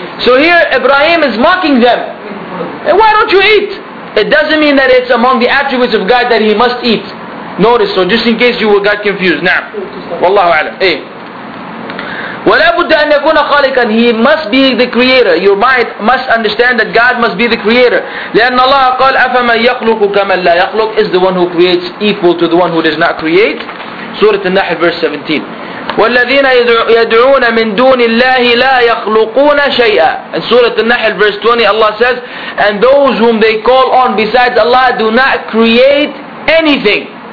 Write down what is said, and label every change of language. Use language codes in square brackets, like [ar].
[en] So here Ibrahim is mocking them. And why don't you eat? It doesn't mean that it's among the attributes of God that he must eat. Notice, so just in case you got confused. Now, Wallahu A'lam. Hey. [ar] ولا بد أن يكون خالقا. [en] He must be the creator. Your mind must understand that God must be the creator. [ar] لأن الله قال أفمن يخلق كمن لا يخلق. [en] Is the one who creates equal to the one who does not create? [ar] سورة النحل [en] verse 17. [ar] والذين يدعون من دون الله لا يخلقون شيئا. [en] In سورة النحل verse 20, Allah says, and those whom they call on besides Allah do not create anything.